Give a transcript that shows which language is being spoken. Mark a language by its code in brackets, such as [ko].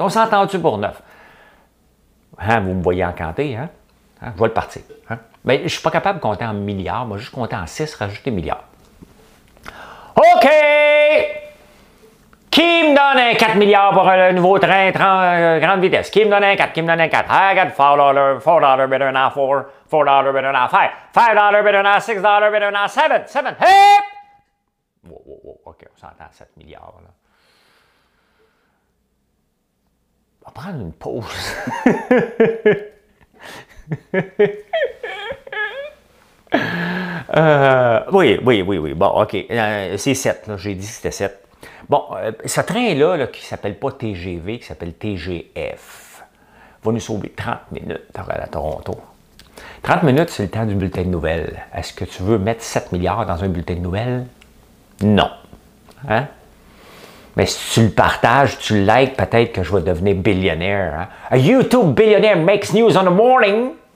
[fr] On s'entend-tu pour 9? Hein, vous me voyez encanté, hein? Je vais le partir. Hein? Mais je ne suis pas capable de compter en milliards. Moi, je vais juste compter en 6, rajouter milliards. OK! Qui me donne un 4 milliards pour le nouveau train grande vitesse? Qui me donne un 4? Qui me donne un 4? [en] I got $4, $4 better than 4, $4 better than 5, $5 better than 6, $6 better than 7, 7, hip! [fr] Wow, wow, wow, OK, on s'entend à 7 milliards, là. On va prendre une pause. oui. Bon, OK, c'est 7, là. J'ai dit que c'était 7. Bon, ce train-là, là, qui ne s'appelle pas TGV, qui s'appelle TGF, va nous sauver 30 minutes à Toronto. 30 minutes, c'est le temps du bulletin de nouvelles. Est-ce que tu veux mettre 7 milliards dans un bulletin de nouvelles? Non. Hein? Mais si tu le partages, tu le likes, peut-être que je vais devenir billionnaire. Hein? [en] A YouTube billionaire makes news on the morning.